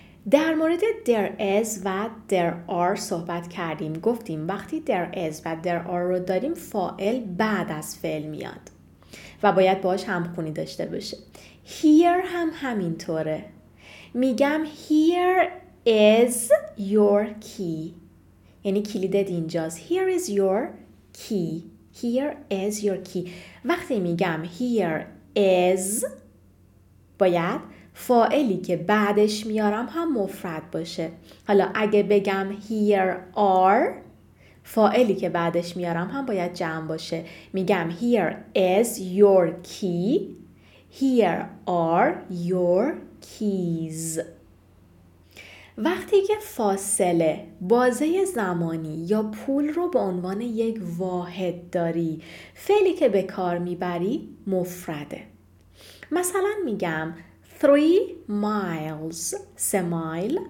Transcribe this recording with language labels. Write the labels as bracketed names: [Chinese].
[Persian] در مورد [English] there is [Persian] و [English] there are [Persian] صحبت کردیم، گفتیم وقتی there is و there are رو داریم فاعل بعد از فعل میاد و باید باهاش همخونی داشته باشه. here هم همینطوره، میگم [English] here is your key، [Persian] یعنی کلیدت اینجاست. [English] here is your key، here is your key. [Persian] وقتی میگم [English] here is [Persian] باید فاعلی که بعدش میارم هم مفرد باشه. حالا اگه بگم [English] here are، [Persian] فاعلی که بعدش میارم هم باید جمع باشه. میگم [English] here is your key، here are your keys. [Persian] وقتی که فاصله، بازه زمانی یا پول رو به عنوان یک واحد داری، فعلی که به کار میبری مفرده. مثلا میگم [English] 3 miles، 3 mile.